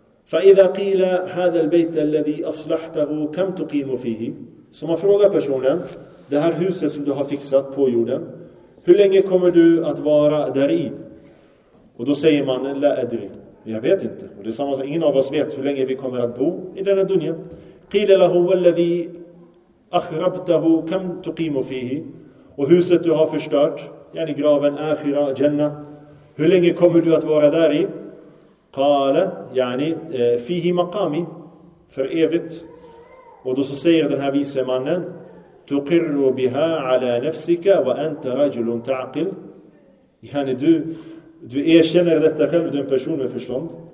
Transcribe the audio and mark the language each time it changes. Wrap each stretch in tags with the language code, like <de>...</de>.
<ar>فَإِذَا قِيلَ هَذَا الْبَيْتَ الَّذِي أَصْلَحْتَهُ كَمْ تُقِيمُ فِيهِ.</ar> <sv>Så man frågar personen, det här huset som du har fixat på jorden, hur länge kommer du att vara där i? Och då säger man,</sv> <ar>لا أدري,</ar> <sv>jag vet inte. Och det är samma sak, ingen av oss vet hur länge vi kommer att bo i denna dunja.</sv> <ar>قيل له والذي أخربته كم تقيم فيه.</ar> <sv>Och huset du har förstört, yani graven, akhira, janna, hur länge kommer du att vara där i?</sv> <ar>قال yani فيه مقامي,</ar> <sv>för evigt. Och då så säger den här vise mannen,</sv> <ar>تقر بها على نفسك وأنت رجل تعقل,</ar> <sv>yani du erkänner detta själv, du är en person med förstånd.</sv>